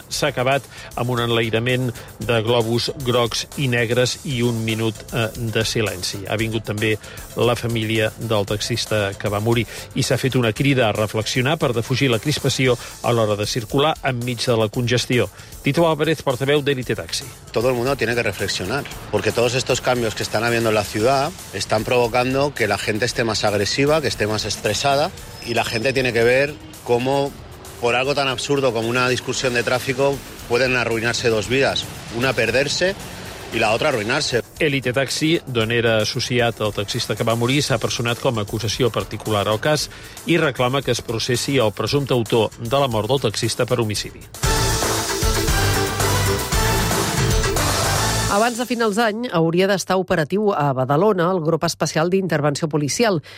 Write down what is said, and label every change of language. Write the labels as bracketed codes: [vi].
[ca] S'ha acabat amb un enlairament de globus grocs i negres i un minut de silenci. Ha vingut també la família del taxista que va morir i s'ha fet una crida a reflexionar per defugir la crispació a l'hora de circular enmig de la congestió. Tito Álvarez, portaveu d'Elite Taxi. [es] Todo el mundo tiene que reflexionar, porque todos estos cambios que están viendo en la ciudad están provocando que la gente esté más agresiva, que esté más estresada, y la gente tiene que ver cómo por algo tan absurdo como una discusión de tráfico pueden arruinarse dos vidas, una perderse y la otra arruinarse. [ca] Elite Taxi, d'on era associat el taxista que va morir, s'ha personat com a acusació particular al cas i reclama que es processi el presumpte autor de la mort del taxista per homicidi. Abans de finals d'any hauria d'estar operatiu a Badalona el grup especial d'intervenció policial.